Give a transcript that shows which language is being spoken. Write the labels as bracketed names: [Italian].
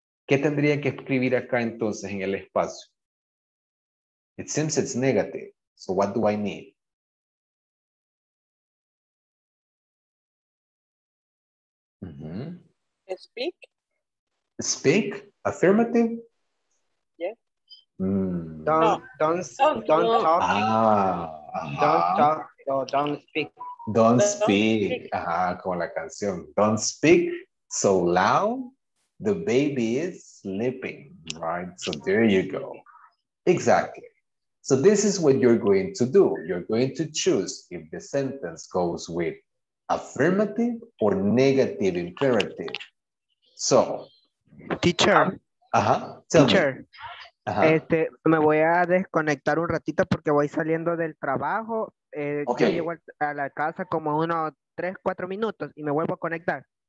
[Spanish] ¿Qué tendría que escribir acá entonces en el espacio? [English] It seems it's negative. So what do I need? Mm-hmm. Speak. Speak. Affirmative. Yes. Don't talk. Don't speak. [Spanish] Ajá, como la canción. Don't speak so loud. [English] The baby is sleeping, right? So there you go. Exactly. So this is what you're going to do. You're going to choose if the sentence goes with affirmative or negative imperative. So. Teacher. Ajá. Teacher. [Spanish] Me voy a desconectar un ratito porque voy saliendo del trabajo. Okay. Yo llego a la casa como unos 3-4 minutos y me vuelvo a conectar.